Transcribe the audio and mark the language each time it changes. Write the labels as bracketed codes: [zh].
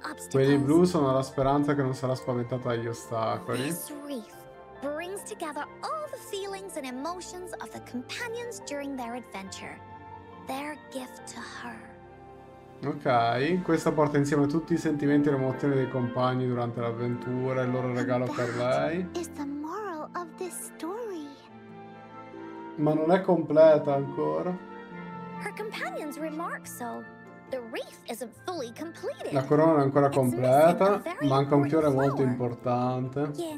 [it] Quelli blu sono la speranza che non sarà spaventata dagli ostacoli. [en] Brings together all the feelings and emotions of the companions during their adventure. Their gift to her. [it] Ok, questa porta insieme tutti i sentimenti e le emozioni dei compagni durante l'avventura, il loro regalo per lei. [en] Is the moral of this story. [it] Ma non è completa ancora. [en] Her companions remark so. The reef isn't fully completed. [it] La corona non è ancora completa, manca un fiore molto importante.